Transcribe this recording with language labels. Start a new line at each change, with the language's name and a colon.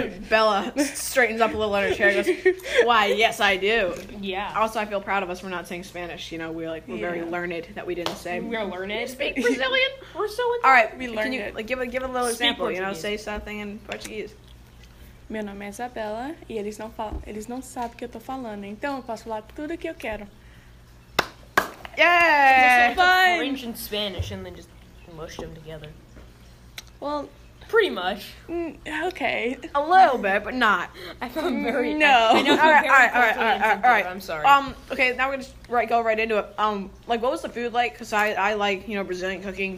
English: Bella straightens up a little in her chair and goes, why, yes, I do. Yeah. Also, I feel proud of us for not saying Spanish. You know, we're very learned that we didn't say. We are learned. You speak Brazilian? We're so learned. All right. We learned. Can you, it. Like, give a little speak example, Portuguese. You know, say something in Portuguese.
Portuguese: Meu nome é Isabela e eles não sabem o que eu tô falando, então eu posso falar tudo que eu quero.
English: Yay! So French and Spanish and then just mushed them together. Well, pretty much. Okay. A little bit, but not. I felt very. No. All right. I'm sorry. Okay. Now we're gonna go right into it. What was the food like? Cause I like, you know, Brazilian cooking.